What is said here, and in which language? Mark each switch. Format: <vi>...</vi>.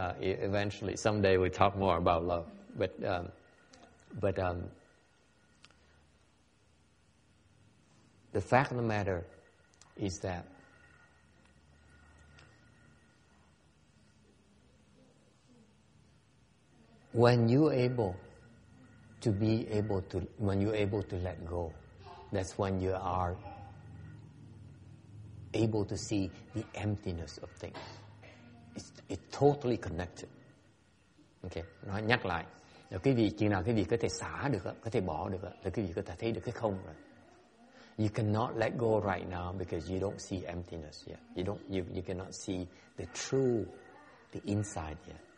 <en>Eventually, someday we'll talk more about love. But the fact of the matter is that when you're able to let go, that's when you are able to see the emptiness of things. It's totally connected. Okay,</en> <vi>nói nhắc lại. Rồi cái gì chỉ nào cái gì có thể xả được, có thể bỏ được, rồi cái gì có thể thấy được cái không rồi.</vi> <en>You cannot let go right now because you don't see emptiness yet. You cannot see the true, the inside yet.</en>